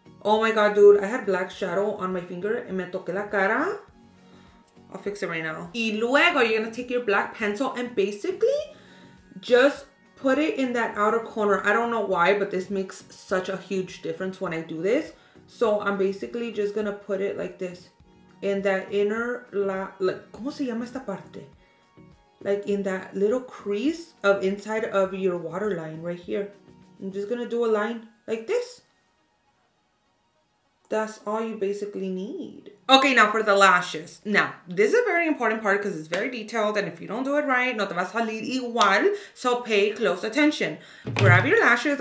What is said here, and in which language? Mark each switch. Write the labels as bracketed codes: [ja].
[en] Oh my God, dude, I had black shadow on my finger and [es] me toqué la cara. [en] I'll fix it right now. [es] Y luego [en] you're gonna take your black pencil and basically just put it in that outer corner. I don't know why, but this makes such a huge difference when I do this. So I'm basically just gonna put it like this. In that inner, like, [es] ¿cómo se llama esta parte? [en] Like in that little crease of inside of your waterline right here. I'm just gonna do a line like this. That's all you basically need. Okay, now for the lashes. Now, this is a very important part because it's very detailed, and if you don't do it right, [es] no te vas a salir igual, [en] so pay close attention. Grab your lashes.